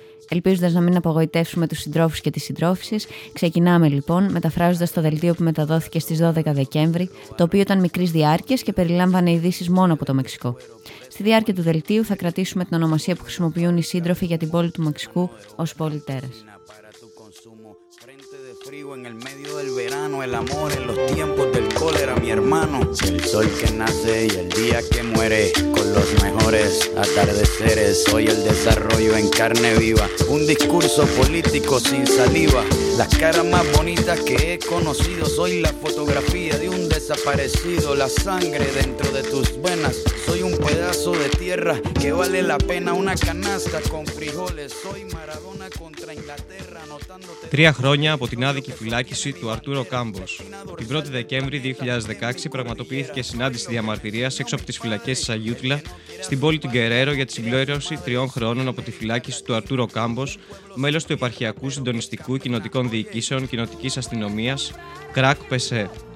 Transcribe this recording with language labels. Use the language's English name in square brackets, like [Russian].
[Greek] Ελπίζοντας να μην απογοητεύσουμε τους συντρόφους και τις συντρόφισσες, ξεκινάμε λοιπόν μεταφράζοντας το δελτίο που μεταδόθηκε στις 12 Δεκέμβρη, το οποίο ήταν μικρής διάρκειας και περιλάμβανε ειδήσεις μόνο από το Μεξικό. Στη διάρκεια του δελτίου θα κρατήσουμε την ονομασία που χρησιμοποιούν οι σύντροφοι για την πόλη του Μεξικού ως πόλη Τέρας. [Spanish] En el medio del verano, el amor en los tiempos del cólera, mi hermano. El sol que nace y el día que muere, con los mejores atardeceres. Hoy el desarrollo en carne viva, un discurso político sin saliva. Las caras más bonitas que he conocido, soy la fotografía de un desaparecido. La sangre dentro de tus venas, soy un pedazo de tierra que vale la pena. Una canasta con frijoles, soy Maradona contra Inglaterra. [Greek] Τρία χρόνια από την άδικη φυλάκιση του Αρτούρο Κάμπος. Την 1η Δεκέμβρη 2016 πραγματοποιήθηκε συνάντηση διαμαρτυρίας έξω από τις φυλακές της Αγιούτλα στην πόλη του Γκερέρο για τη συμπλήρωση 3 χρόνων από τη φυλάκιση του Αρτούρο Κάμπος, μέλος του Επαρχιακού Συντονιστικού Κοινοτικών Διοικήσεων Κοινοτικής Αστυνομίας, ΚΡΑΚ ΠΕΣΕ.